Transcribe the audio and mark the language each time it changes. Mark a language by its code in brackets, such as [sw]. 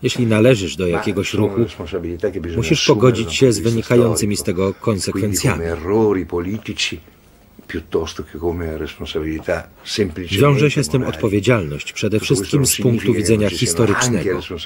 [pl] Jeśli należysz do jakiegoś ruchu, musisz pogodzić się z wynikającymi z tego konsekwencjami. [it] Quindi come errori politici piuttosto che come responsabilità semplicemente. [pl] Wiąże się z tym odpowiedzialność przede wszystkim z punktu widzenia historycznego.